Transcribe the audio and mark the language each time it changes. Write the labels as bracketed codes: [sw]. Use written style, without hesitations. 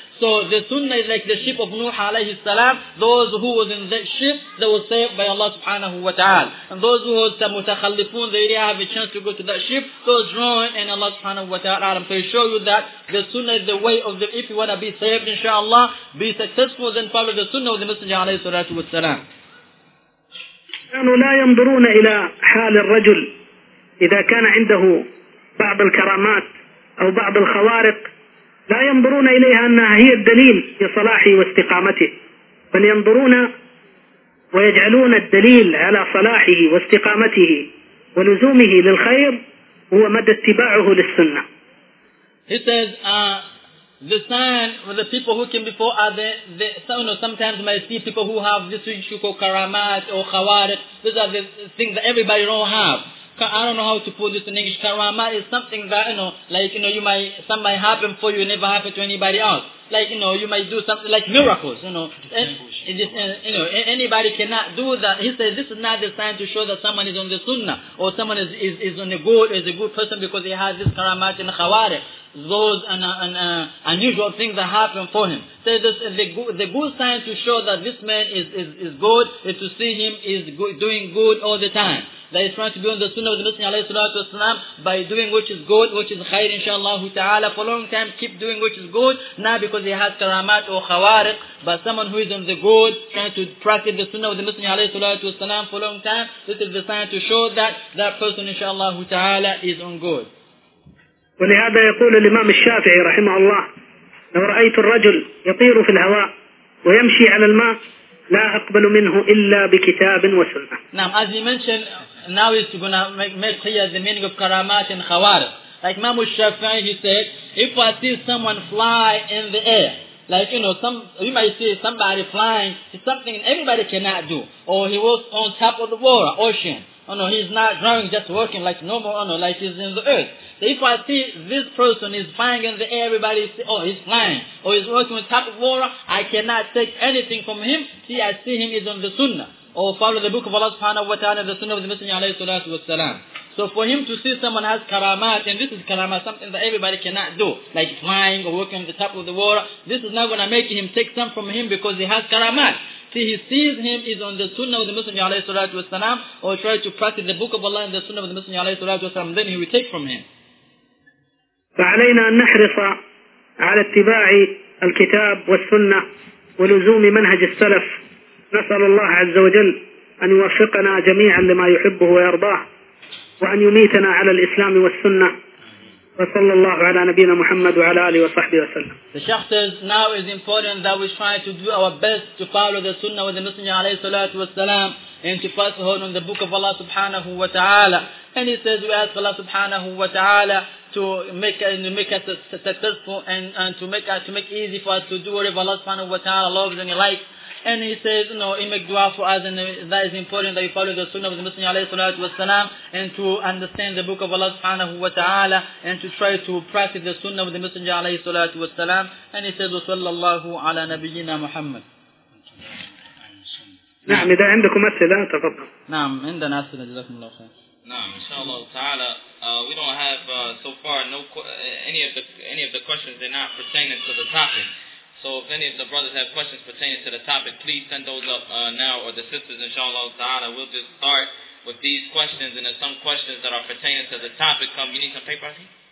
[en] So the sunnah is like the ship of Nuh alayhi salam. Those who was in that ship, they were saved by Allah subhanahu wa ta'ala. And those who was mutakhallifun, they didn't have a chance to go to that ship, they were drawn in Allah subhanahu wa ta'ala. So he show you that the sunnah is the way of the, if you want to be saved, inshallah, be successful, then follow the sunnah of the Messenger alayhi salatu wa salam. [ar] كانوا لا ينظرون إلى حال الرجل إذا كان عنده بعض الكرامات أو بعض الخوارق لا ينظرون إليها أنها هي الدليل لصلاحه واستقامته، بل ينظرون ويجعلون الدليل على صلاحه واستقامته ولزومه للخير هو مدى اتباعه للسنة. [en] He says, the sign for the people who came before are the you know, sometimes you might see people who have this issue called karamat or khawarit. These are the things that everybody don't have. I don't know how to put this in English. Karamat is something that, you know, like, you know, you might, some might happen for you, never happen to anybody else. Like, you know, you might do something like miracles, you know. Anybody cannot do that. He says this is not the sign to show that someone is on the sunnah or someone is on the good, is a good person because he has this karamat and khawarit. Those unusual things that happen for him. So the good sign to show that this man is good is to see him is good, doing good all the time. That he's trying to be on the sunnah of the Messenger alayhi salatu wasalam by doing which is good, which is khair inshallah ta'ala. For a long time, keep doing which is good, not because he has karamat or khawariq, but someone who is on the good, trying to practice the sunnah of the Messenger alayhi salatu wasalam for a long time, this is the sign to show that person inshallah ta'ala is on good. [ar] ولهذا يقول الإمام الشافعي رحمه الله: لو رأيت الرجل يطير في الهواء ويمشي على الماء لا أقبل منه إلا بكتاب وسنة. نعم. [en] As he mentioned, now he's gonna make clear the meaning of karamat and khawarij. Like Imam al-Shafi'i, he said, if I see someone fly in the air, like, you know, you might see somebody flying, it's something everybody cannot do, or he was on top of the water, ocean. Oh no, he's not drawing, just working like normal, oh no, like he's in the earth. So if I see this person is flying in the air, everybody say, oh, he's flying, or he's working on top of water, I cannot take anything from him. See, I see him is on the sunnah, or follow the book of Allah subhanahu wa ta'ala, the sunnah of the Messenger alayhi salatu wa salam. So for him to see someone has karamat, and this is karamat, something that everybody cannot do, like flying or working on the top of the water, this is not going to make him take some from him because he has karamat. See, he sees him is on the sunnah of the Messenger alayhi salatu wasalam, or try to practice the book of Allah and the sunnah of the Messenger alayhi salatu wasalam, then he will take from him. [ar] فعلينا أن نحرص على اتباع الكتاب والسنة ولزوم منهج السلف. نسأل الله عز وجل أن يوفقنا جميعا لما يحبه ويرضاه وأن يميتنا على الإسلام والسنة. وصلى الله على نبينا محمد وعلى آله وصحبه وسلم. [en] The Sheikh says now is important that we try to do our best to follow the Sunnah of the Messenger [ar] عليه الصلاة والسلام [en] and to pass on the book of Allah subhanahu wa ta'ala. And he says we ask Allah subhanahu wa ta'ala to make us successful and to make easy for us to do whatever Allah subhanahu wa ta'ala loves and he likes. And he says, you know, he makes dua for us, and that is important that we follow the sunnah of the Messenger alayhi salatu wasalam, and to understand the book of Allah subhanahu wa ta'ala, and to try to practice the sunnah of the Messenger alayhi salatu wasalam. And he says, [ar] وَصَلَّ عَلَى نَبِيِّنَا مُحَمَّدٍ. نعم إذا عندكم أسئلة تفضل. نعم عندنا أسئلة جزاكم الله خير. نعم إن شاء الله تعالى. [en] We don't have so far any of the questions. They're not pertaining to the topic. So if any of the brothers have questions pertaining to the topic, please send those up now, or the sisters, inshallah ta'ala. We'll just start with these questions, and if some questions that are pertaining to the topic come, you need some paper, I think?